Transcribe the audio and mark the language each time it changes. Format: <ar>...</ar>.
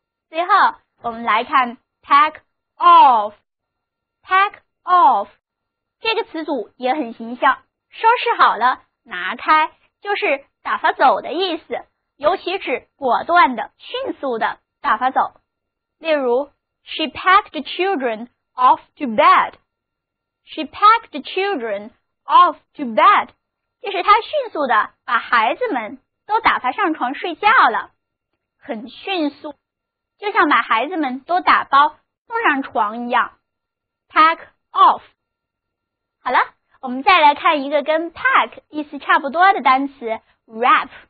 <zh>最后我们来看 pack off.</zh> <en>Pack off.</en> <zh>这个词组也很形象，收拾好了拿开，就是打发走的意思，尤其指果断的、迅速的打发走。</zh> <en>例如 She packed the children off to bed. She packed the children off to bed.</en> <zh>这是她迅速的把孩子们都打发上床睡觉了。很迅速，就像把孩子们都打包送上床一样。 Pack off. 好了，我们再来看一个跟 pack 意思差不多的单词 wrap.</zh>